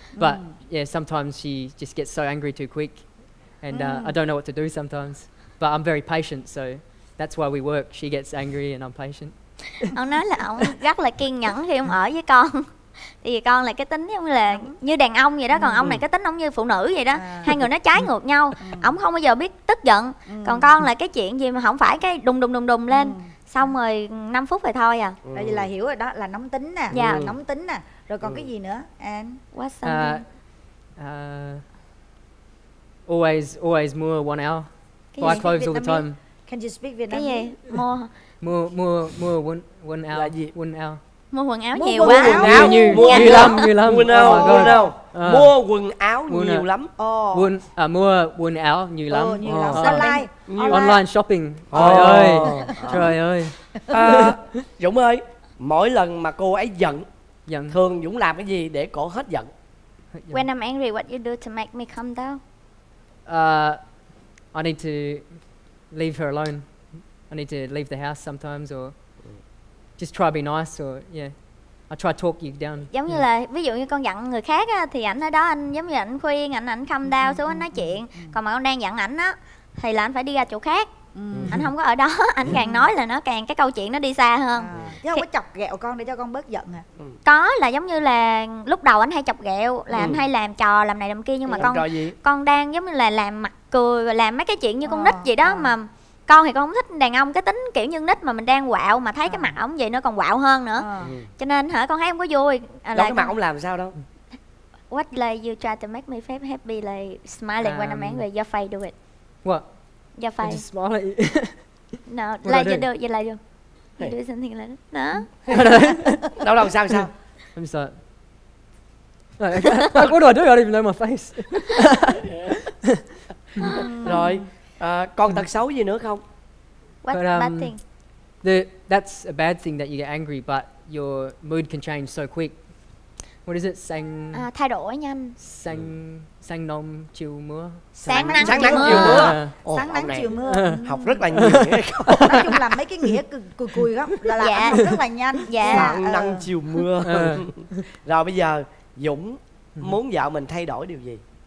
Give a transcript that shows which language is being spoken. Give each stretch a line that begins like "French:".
English: But yeah, sometimes she just gets so angry too quick, and I don't know what to do sometimes. But I'm very patient, so that's why we work. She gets angry and I'm patient.
Vietnamese: Ông nói là ông rất là kiên nhẫn khi ông ở với con. Tại vì con là cái tính giống là như đàn ông vậy đó, còn ông này cái tính ông như phụ nữ vậy đó. Hai người nó trái ngược nhau. Ông không bao giờ biết tức giận, còn con là cái chuyện gì mà không phải cái đùng đùng đùng đùng lên xong rồi 5 phút rồi thôi à. Tại vì là hiểu rồi đó, là nóng tính nè. Nóng tính nè. Rồi còn cái gì nữa?
English: And what's something? Always more 1 hour. Buy clothes all the time. Can you speak Vietnamese?
Vietnamese: Cái gì?
English: More 1 hour.
Vietnamese: Là gì?
English: 1 hour.
Vietnamese: Mua quần áo nhiều quá. Nhiều lắm. Quần áo. Mua quần áo nhiều lắm. Mua quần áo nhiều lắm.
English: Online
Vietnamese: shopping. Trời ơi. Dũng ơi, mỗi lần mà cô ấy giận, giận, thường Dũng làm cái gì để cổ hết giận?
English: When I'm angry, what you do to make me calm down? I need to leave her alone. I need to leave the house sometimes or just try be nice or yeah, I try talk you down.
Vietnamese: Giống như là ví dụ như con giận người khác á, thì ảnh ở đó anh giống như ảnh khuyên, ảnh
English: calm down
Vietnamese: xuống anh nói chuyện. Còn mà con đang giận ảnh á thì là anh phải đi ra chỗ khác. Anh không có ở đó, ảnh càng nói là nó càng cái câu chuyện nó đi xa hơn. Chứ không có chọc ghẹo con để cho con bớt giận à? Có, là giống như là lúc đầu anh hay chọc ghẹo là anh hay làm trò làm này làm kia, nhưng mà con đang giống như là làm mặt cười và làm mấy cái chuyện như con nít vậy đó. Mà con thì con không thích đàn ông cái tính kiểu như nít, mà mình đang quạo mà thấy cái mặt ổng vậy nó còn quạo hơn nữa. Cho nên hả, con thấy không có vui. Cái mặt ổng làm sao đâu.
English: What like you try to make me happy, like smiling when I'm angry, your face do it. What? Your face. Just smile at you. No, what like you do, you like you. You hey. Do something like that. No.
Vietnamese: Đâu đâu, sao?
English: I'm sorry. Like, what do I do? I don't even know my face.
Vietnamese: Rồi. Còn tật xấu gì nữa không?
English: What bad thing? That's a bad thing that you get angry, but your mood can change so quick. What is it? Sang
Vietnamese: thay đổi nhanh. Sang sang nông chiều mưa. Sáng nắng chiều mưa. Sáng nắng chiều mưa. Học rất là nhiều. Nói chung là mấy cái nghĩa cùi cùi đó là làm dạ. Rất là nhanh. Dạ. Sáng nắng chiều mưa. Rồi bây giờ Dũng muốn vợ mình thay đổi điều gì?